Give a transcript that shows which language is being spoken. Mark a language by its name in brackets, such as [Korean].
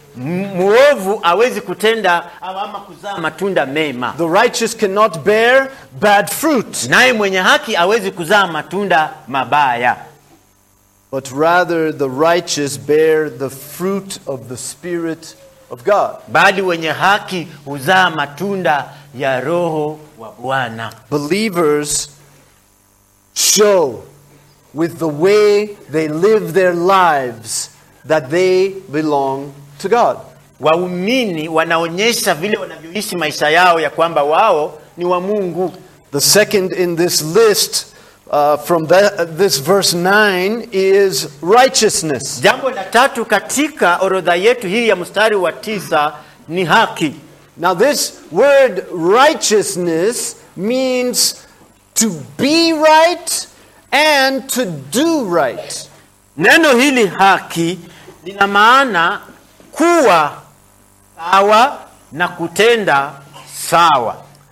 [Swahili] Muovu awezi kutenda ama kuzaa matunda mema. [English] The righteous cannot bear bad fruit. [Swahili] Naye mwenye haki awezi kuzaa matunda mabaya. [English] But rather the righteous bear the fruit of the Spirit of God. [Swahili] Bali wenye haki huzaa matunda ya Roho wa Bwana. [English] Believers show with the way they live their lives that they belong to God. [Swahili] Waumini wanaonyesha vile wanavyoishi maisha yao ya kwamba wao ni wa Mungu. [English] The second in this list from this verse 9 is righteousness. [Swahili] Jambo la tatu katika orodha yetu hii ya mstari wa 9 ni haki. [English] Now this word righteousness means to be right and to do right. [Swahili] Neno hili haki lina maana kuwa sawa na kutenda sawa.